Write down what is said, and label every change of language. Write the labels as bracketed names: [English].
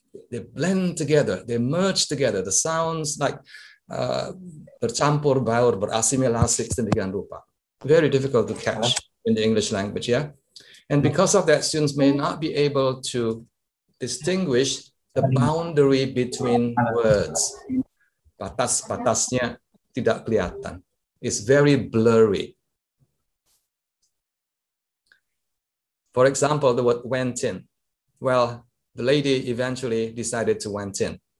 [English] They blend together. They merge together. The sounds like [Indonesian] bercampur baur, berasimilasi sedemikian rupa. [English] Very difficult to catch in the English language, yeah? And because of that, students may not be able to distinguish the boundary between words. [Indonesian] Batas-batasnya tidak kelihatan. [English] It's very blurry. For example, the word went in. Well, the lady eventually decided to went in.